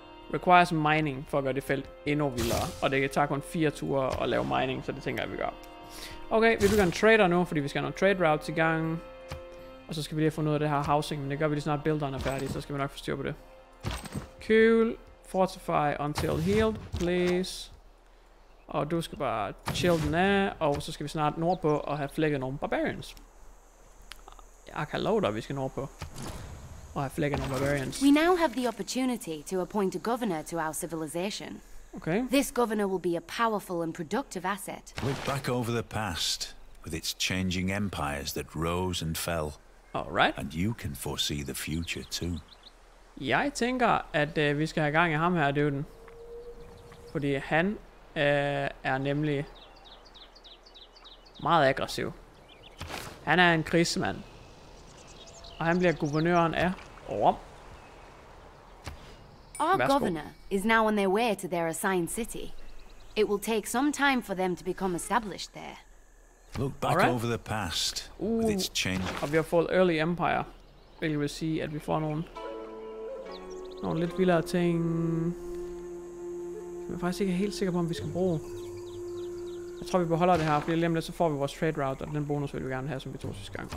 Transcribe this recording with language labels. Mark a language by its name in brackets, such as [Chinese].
[English] Requires mining [Danish] for at gøre det felt endnu vildere. Og det tager kun 4 ture at lave mining, så det tænker jeg, vi gør. Okay, vi begynder en trader nu, fordi vi skal have nogle trade routes i gang. Og så skal vi lige få noget af det her housing, men det gør vi lige snart builderen er færdig, så skal vi nok få styr på det. Cool. [English] Fortify until healed, please. [Danish] Og du skal bare chill den af, og så skal vi snart nordpå og have flækket nogle barbarians. Jeg kan love dig, vi skal nordpå og have flækket nogle barbarians. [English] We now have the opportunity to appoint a governor to our civilization. Okay. This governor will be a powerful and productive asset. Look back over the past, with its changing empires that rose and fell. All right. And you can foresee the future too. [Danish] Jeg tænker, at vi skal have gang i ham her, døden. Fordi han er nemlig meget aggressiv. Han er en krigsmand. Og han bliver guvernøren af Rom. [English] Our governor is now on their way to their assigned city. It will take some time for them to become established there. Look back right. Over the past with its change. [Danish] Og vi har fået early empire. Hvilket vil sige, at vi får nogle lidt vildere ting. Jeg er faktisk ikke helt sikker på, om vi skal bruge. Jeg tror, vi beholder det her, fordi lige om lidt, så får vi vores trade route, og den bonus vil vi gerne have, som vi tog sidste gang.